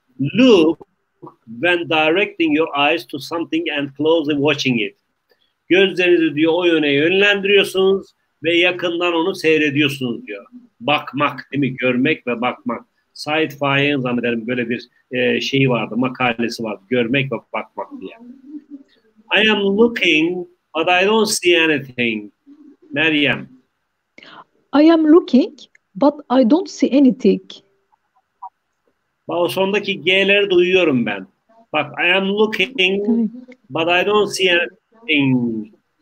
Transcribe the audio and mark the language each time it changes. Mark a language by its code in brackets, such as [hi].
[en] Look when directing your eyes to something and closely watching it. [tr] Gözlerinizi diyor o yöne yönlendiriyorsunuz ve yakından onu seyrediyorsunuz diyor. Bakmak değil mi? Görmek ve bakmak. Said Faik'in zannederim böyle bir şeyi vardı, makalesi vardı. Görmek ve bakmak diye. [en] I am looking but I don't see anything. [tr] Meryem. [en] I am looking but I don't see anything. [tr] O sondaki G'leri duyuyorum ben. [en] Bak I am looking but I don't see anything.